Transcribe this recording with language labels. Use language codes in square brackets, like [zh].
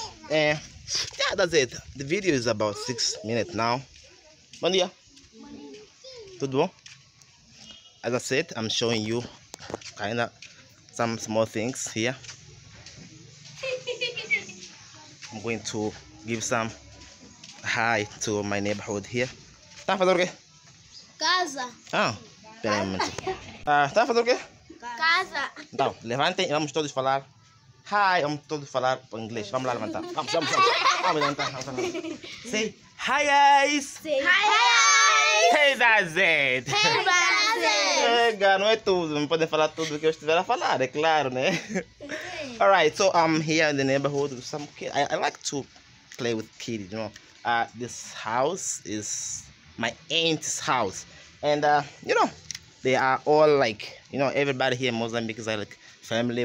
[en] And yeah, that's it. The video is about 6 minutes now. [pt] Bom dia! Tudo bom? [en] As I said, I'm showing you kind of some small things here. I'm going to give some hi to my neighborhood here. [pt] Tá fazendo o quê? Casa. Ah, peraí um minuto. Tá fazendo o quê? Casa. Então, levantem e vamos todos falar [en] Hi, I'm told to [pt] falar em inglês. Vamos lá levantar. Vamos levantar. [en] Say hi guys. Say hi guys. Hey, that's it. Hey, that's it. [pt] Chega, não é tudo. Não podem falar tudo o que eu estiver a falar, é claro, né? [en] All right, so I'm here in the neighborhood with some kids. I like to play with kids, you know. This house is my aunt's house. And, you know, they are all like, you know, everybody here in Mozambique is like family.